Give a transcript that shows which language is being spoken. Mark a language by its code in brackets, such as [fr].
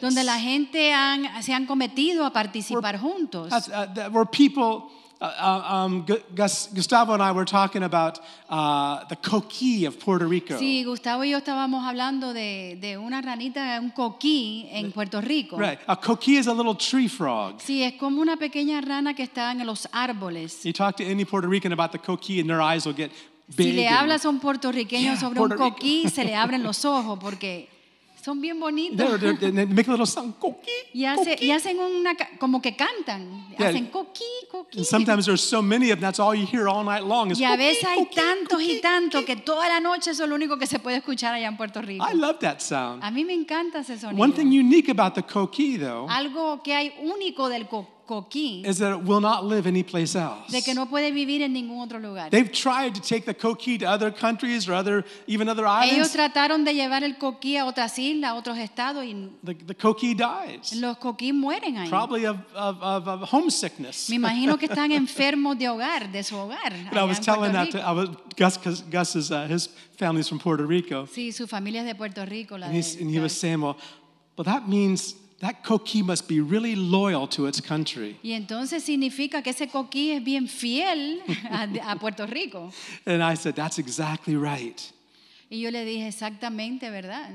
[es] Donde la gente se han cometido a participar juntos. [en] Where people, Gustavo and I were talking about the coqui of Puerto Rico. [es] Sí, Gustavo y yo estábamos hablando de una ranita, un coqui en Puerto Rico. [en] Right, a coqui is a little tree frog. [es] Sí, es como una pequeña rana que está en los árboles. [en] You talk to any Puerto Rican about the coqui and their eyes will get big. [es] Si le hablas a un puertorriqueño sobre un coqui, se le abren los ojos porque son bien bonitos. [en] They make a little sound, coqui, [es] y hacen una, como que cantan. Yeah. Hacen coqui, coqui. [en] And sometimes there's so many of them, that's all you hear all night long. Is, [es] y a veces hay tantos y tantos que toda la noche es lo único que se puede escuchar allá en Puerto Rico. [en] I love that sound. [es] A mí me encanta ese sonido. [en] One thing unique about the coqui, though. [es] Algo que hay único del coqui. [en] Is that it will not live anyplace else. [es] De que no puede vivir en ningún otro lugar. [en] They've tried to take the coqui to other countries or other, even other islands. [es] Ellos trataron de llevar el coqui a otras islas, a otros estados, y [en] the coqui dies. [es] Los coqui mueren ahí. [en] Probably of homesickness. [es] Me imagino que están enfermos de hogar, de su hogar. [en] But I was telling that to Gus's his family's from Puerto Rico. [es] Sí, su familia es de Puerto Rico. [en] And he was saying, well, but that means that coqui must be really loyal to its country. [es] Y entonces significa que ese coqui es bien fiel a Puerto Rico. [en] And I said, that's exactly right. [es] Y yo le dije, exactamente, ¿verdad?